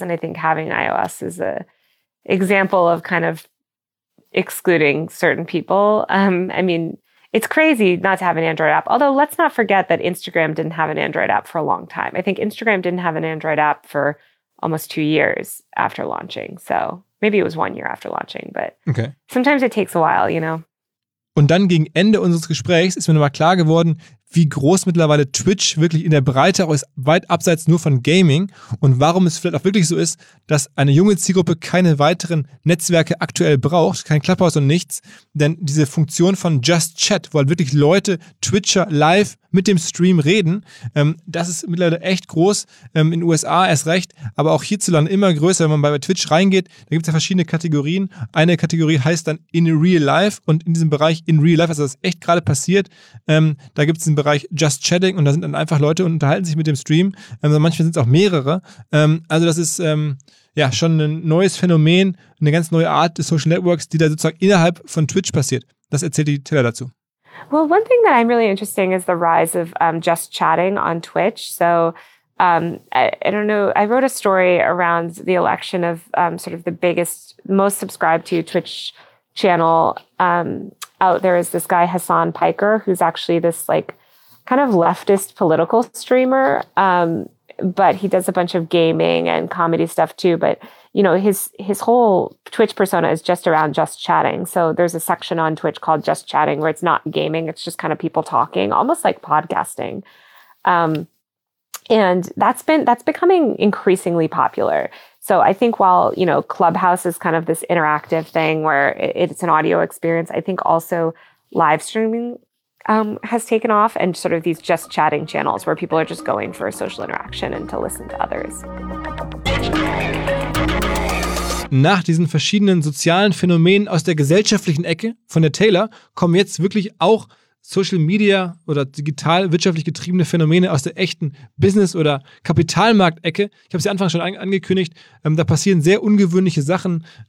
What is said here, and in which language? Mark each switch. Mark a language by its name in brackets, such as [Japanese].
[English] And I think having iOS is a example of kind of excluding certain people. I mean, it's crazy not to have an Android app. Although let's not forget that Instagram didn't have an Android app for a long time. I think Instagram didn't have an Android app for almost 2 years after launching. So maybe it was 1 year after launching, but okay. Sometimes it takes a while, you know? [German] Und dann gegen Ende unseres Gesprächs ist mir nochmal klar geworden, wie groß mittlerweile Twitch wirklich in der Breite auch ist, weit abseits nur von Gaming, und warum es vielleicht auch wirklich so ist, dass eine junge Zielgruppe keine weiteren Netzwerke aktuell braucht, kein Clubhouse und nichts, denn diese Funktion von Just Chat, wo halt wirklich Leute, Twitcher live mit dem Stream reden, das ist mittlerweile echt groß, in den USA erst recht, aber auch hierzulande immer größer. Wenn man bei Twitch reingeht, da gibt es ja verschiedene Kategorien. Eine Kategorie heißt dann In Real Life, und in diesem Bereich In Real Life, also das ist echt gerade passiert, da gibt es Bereich Just Chatting, und da sind dann einfach Leute und unterhalten sich mit dem Stream. Also manchmal sind es auch mehrere. Also das ist ja schon ein neues Phänomen, eine ganz neue Art des Social Networks, die da sozusagen innerhalb von Twitch passiert. Das erzählt die Teller dazu. [English] Well, one thing that I'm really interesting is the rise of Just Chatting on Twitch. So I don't know, I wrote a story around the election of sort of the biggest, most subscribed to Twitch channel out there is this guy, Hassan Piker, who's actually this like kind of leftist political streamer. But he does a bunch of gaming and comedy stuff too. But, you know, his whole Twitch persona is just around Just Chatting. So there's a section on Twitch called Just Chatting where it's not gaming. It's just kind of people talking, almost like podcasting. And that's becoming increasingly popular. So I think while, you know, Clubhouse is kind of this interactive thing where it's an audio experience, I think also live streaming has taken off, and sort of these Just Chatting channels where people are just going for a social interaction and to listen to others. [German] Nach diesen verschiedenen sozialen Phänomenen aus der gesellschaftlichen Ecke von der Taylor kommen jetzt wirklich auch Social Media oder digital wirtschaftlich getriebene Phänomene aus der echten Business- oder Kapitalmarktecke. Ich habe es ja anfangs schon angekündigt. Da passieren sehr ungewöhnliche Sachen.